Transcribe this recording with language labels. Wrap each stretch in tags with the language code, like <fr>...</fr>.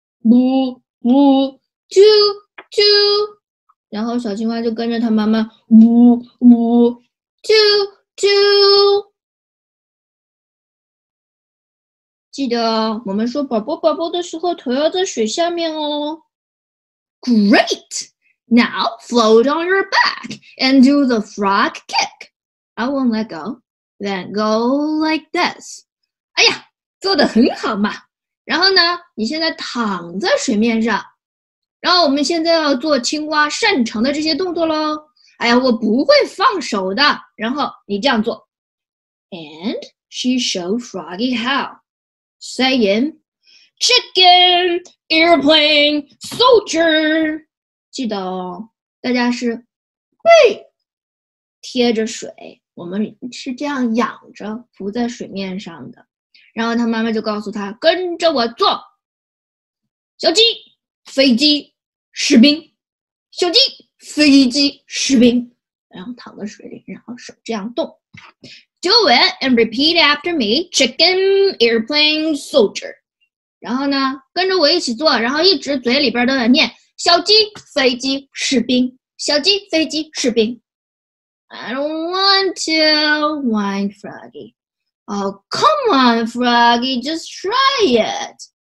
<en>Bubble, two, two.</en> <zh>然后小青蛙就跟着他妈妈呜呜</zh> <en>two, two.</en> <zh>记得我们说宝宝宝宝的时候头要在水下面哦。</zh> <en>Great! Now float on your back and do the frog kick. I won't let go. Then go like this.</en> <zh>哎呀，做得很好嘛。然后呢，你现在躺在水面上。然后我们现在要做青蛙擅长的这些动作咯。哎呀，我不会放手的。然后你这样做。</zh> <en>And she showed Froggy how. Saying, chicken, airplane, soldier.</en> <zh>记得哦，大家是背贴着水，我们是这样仰着浮在水面上的。然后他妈妈就告诉他，跟着我做，小鸡、飞机、士兵，小鸡、飞机、士兵，然后躺在水里，然后手这样动。</zh> <en>Do it and repeat after me, chicken, airplane, soldier.</en> <zh>然后呢，跟着我一起做，然后一直嘴里边都在念，小鸡、飞机、士兵，小鸡、飞机、士兵。</zh> <en>I don't want to, whine Froggy. Oh, come on, Froggy, just try it.</en>